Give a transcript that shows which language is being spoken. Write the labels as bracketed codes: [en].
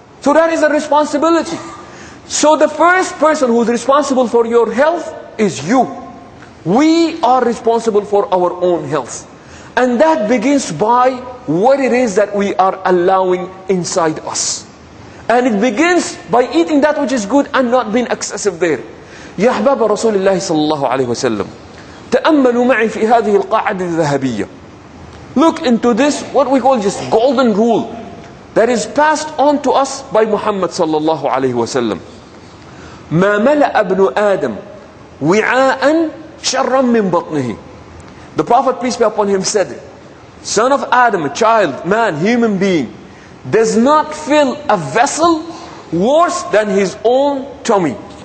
[en] So that is a responsibility. So the first person who is responsible for your health is you. We are responsible for our own health. And that begins by what it is that we are allowing inside us. And it begins by eating that which is good and not being excessive there. [ar] يا أحباب رسول الله صلى الله عليه وسلم تأملوا معي في هذه القاعدة الذهبية. [en] Look into this, what we call just golden rule that is passed on to us by Muhammad sallallahu alayhi wa sallam. [ar] مَا مَلَأَ ابْنُ آدَمْ وِعَاءً شَرًّا مِّن بَطْنِهِ. [en] The Prophet, peace be upon him, said, son of Adam, a child, man, human being, does not fill a vessel worse than his own tummy.